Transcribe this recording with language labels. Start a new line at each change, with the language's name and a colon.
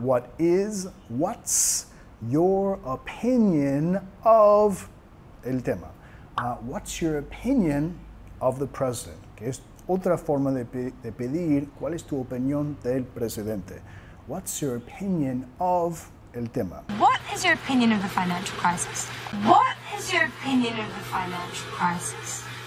English: What is, what's your opinion of
Spanish: el tema?
English: What's your opinion of the president?
Spanish: Que es otra forma de pedir, ¿cuál es tu opinión del presidente?
English: What's your opinion of
Spanish: el tema?
English: What is your opinion of the financial crisis? What is your opinion of the financial crisis?